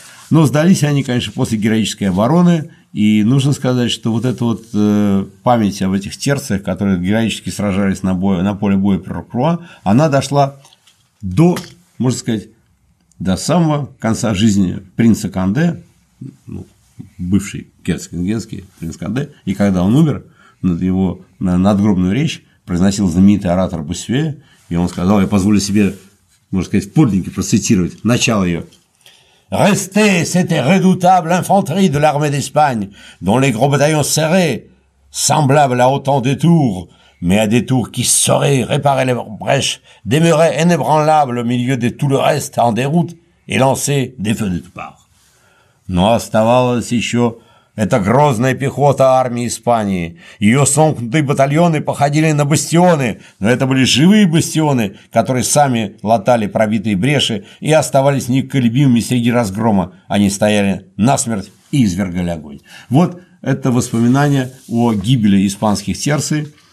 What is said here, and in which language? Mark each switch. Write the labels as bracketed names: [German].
[Russian] Но сдались они, конечно, после героической обороны, и нужно сказать, что вот эта вот память об этих терциях, которые героически сражались на, бою, на поле боя при Рокруа, она дошла до, можно сказать, до самого конца жизни принца Канде, ну, бывший герцог Ингенский, принц Канде, и когда он умер, над его надгробную речь произносил знаменитый оратор Боссюэ, и он сказал: «Я позволю себе, можно сказать, в подлиннике процитировать начало ее. [French] Restez cette redoutable infanterie de l'armée d'Espagne, dont les gros bataillons serrés, semblables à autant de tours, mais à des tours qui sauraient réparer les brèches, demeuraient inébranlables au milieu de tout le reste en déroute et lançaient des feux de toutes parts. [Russian] Но оставалось еще эта грозная пехота армии Испании. Ее сомкнутые батальоны походили на бастионы, но это были живые бастионы, которые сами латали пробитые бреши и оставались неколебимыми среди разгрома. Они стояли насмерть и извергали огонь». Вот это воспоминание о гибели испанских терций.